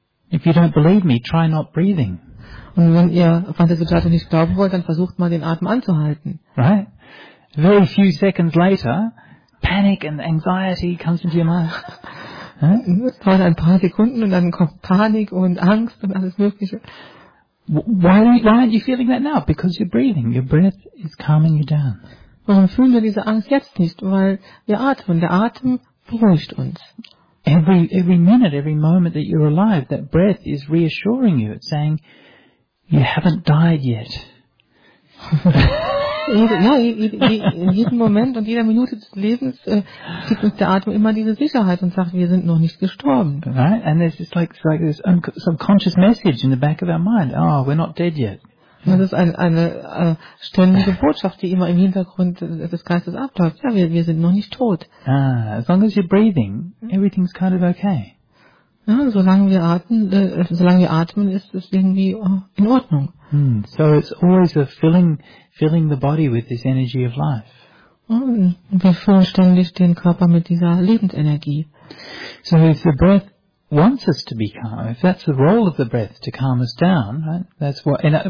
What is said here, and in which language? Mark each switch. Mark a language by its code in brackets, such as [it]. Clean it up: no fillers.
[en] If you don't believe me, try not breathing. [de] Und wenn ihr Fantasizzato nicht glauben wollt, dann versucht mal den Atem anzuhalten. [en] Right? Very few seconds later, panic and anxiety comes into your mind. [de] Es dauert ein paar Sekunden und dann kommt Panik und Angst und alles Mögliche. [en] Why aren't you feeling that now? Because you're breathing. Your breath is calming you down. [de] Warum fühlen wir diese Angst jetzt nicht? Weil wir atmen. Der Atem beruhigt uns. [en] Every minute, every moment that you're alive, that breath is reassuring you. It's saying, you haven't died yet. [de] jeden Moment und jeder Minute des Lebens gibt uns der Atem immer diese Sicherheit und sagt, wir sind noch nicht gestorben. [en] Right? And there's just like this subconscious message in the back of our mind. Oh, we're not dead yet. [de] Das ist eine ständige Botschaft, die immer im Hintergrund des Geistes abläuft. Ja, wir sind noch nicht tot. [en] Ah, as long as you're breathing, everything's kind of okay. [de] Ja, solange wir atmen, ist es irgendwie in Ordnung. [en] So it's always a filling the body with this energy of life. [de] Und wir füllen ständig den Körper mit dieser Lebensenergie. [en] So if the breath wants us to be calm, if that's the role of the breath to calm us down, right? That's what.